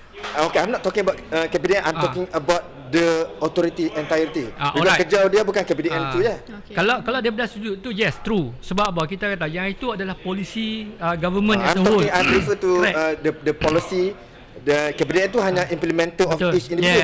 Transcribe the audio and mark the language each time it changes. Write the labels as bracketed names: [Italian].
[English] Okay, I'm not talking about KPDN, I'm talking about the authority entirety. [Malay] Bila kerja dia bukan KPDN tu je. Kalau dia berdasar sudut tu, [English] yes, true. [Malay] Sebab apa? Kita kata yang itu adalah polisi [English] government as a whole. I'm talking, I refer to the policy, the KPDN [Malay] tu hanya [English] implementer of each individual.